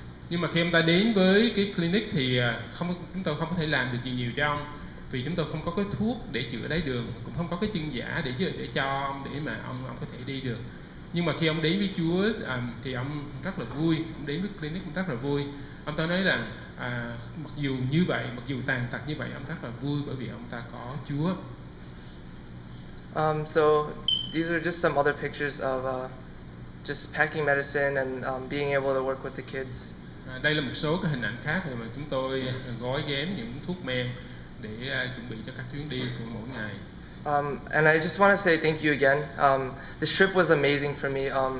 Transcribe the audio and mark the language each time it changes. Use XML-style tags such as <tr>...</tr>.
<vi>Nhưng mà khi ông ta đến với cái clinic thì chúng tôi không có thể làm được gì nhiều cho ông, vì chúng tôi không có cái thuốc để chữa đái đường, cũng không có cái chân giả để cho ông, để mà ông có thể đi được. Nhưng mà khi ông đến với Chúa thì ông rất là vui, ông đến với clinic cũng rất là vui. Ông ta nói rằng mặc dù như vậy, mặc dù tàn tật như vậy, ông rất là vui bởi vì ông ta có Chúa.</vi> <en>So these are just some other pictures of just packing medicine and being able to work with the kids.</en> <vi>Đây là một số cái hình ảnh khác mà chúng tôi gói ghém những thuốc men để chuẩn bị cho các chuyến đi của mỗi ngày.</vi> <en>And I just want to say thank you again. This trip was amazing for me.</en>